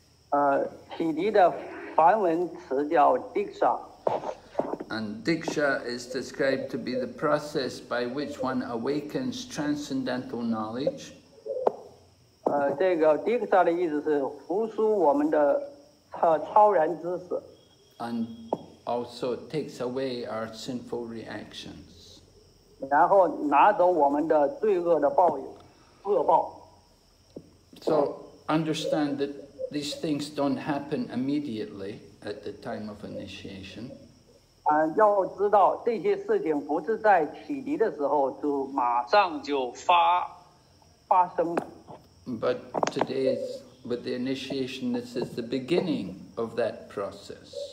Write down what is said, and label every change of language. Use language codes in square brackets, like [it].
[en] And diksha is described to be the process by which one awakens transcendental knowledge. [zh] 这个diksha的意思是服输我们的超然知识。 [en] And also it takes away our sinful reactions. [zh] 然后拿走我们的罪恶的报应,恶报。 [en] So understand that these things don't happen immediately at the time of initiation. [zh] 要知道这些事情不是在启迪的时候就马上就发生。 [en] But today, with the initiation, this is the beginning of that process.